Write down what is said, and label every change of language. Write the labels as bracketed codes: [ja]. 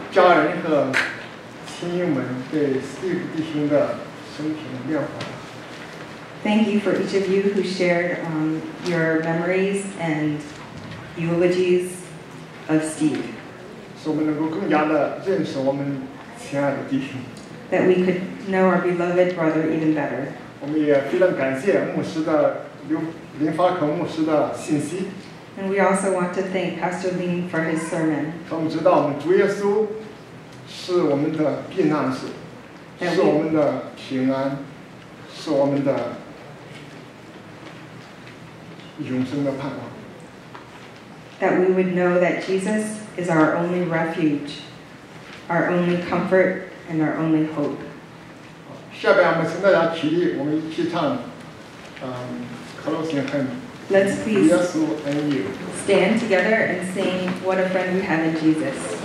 [zh] 家人和亲友们对 Steve 弟兄的生平变化。 [en] Thank you for each of you who shared your memories and eulogies of Steve. [zh] 使我们能够更加的认识我们亲爱的弟兄。 [en] That we could know our beloved brother even better. [zh] 我们也非常感谢牧师的林发可牧师的信息。 [en] And we also want to thank Pastor Lin for his sermon. [zh] 他们知道我们主耶稣是我们的避难所，是我们的平安，是我们的永生的盼望。 [en] That we would know that Jesus is our only refuge, our only comfort, and our only hope. [zh] 下边我们请大家起立，我们一起唱，Closing Hymn。 [en] Let's please stand together and sing What a Friend We Have in Jesus.